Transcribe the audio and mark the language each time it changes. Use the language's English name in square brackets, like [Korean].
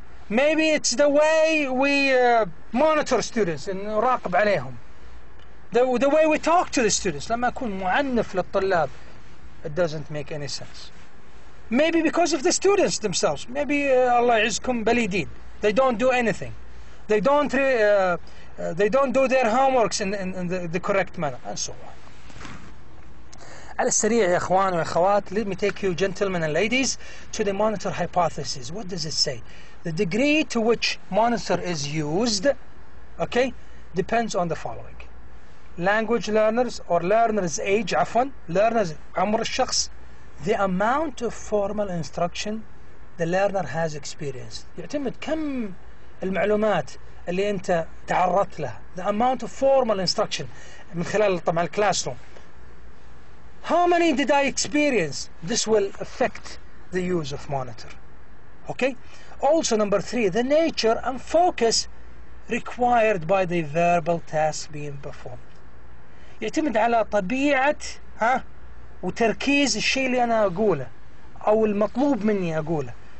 [English] Maybe it's the way we monitor students and [Arabic] نراقب عليهم. [English] The way we talk to the students [Arabic] لما أكون معنف للطلاب [English] it doesn't make any sense. Maybe because of the students themselves. Maybe Allah [Arabic] يعزكم بليدين. [English] They don't do anything. They don't do their homeworks in the correct manner and so on. [Arabic] على السريع يا إخوان وإخوات, [English] let me take you gentlemen and ladies to the monitor hypothesis. What does it say? The degree to which monitor is used, okay, depends on the following. Language learners or learners age, [Arabic] عفواً, [English] learners [Arabic] عمر الشخص, [English] the amount of formal instruction the learner has experienced. [Arabic] يعتمد كم المعلومات اللي انت تعرضت لها. [English] The amount of formal instruction [Arabic] من خلال طبعا الكلاسروم. [English] How many did I experience? This will affect the use of monitor. Okay? Also number three, the nature and focus required by the verbal task being performed. [Arabic] يعتمد على طبيعة ها وتركيز الشيء اللي أنا أقوله أو المطلوب مني أقوله.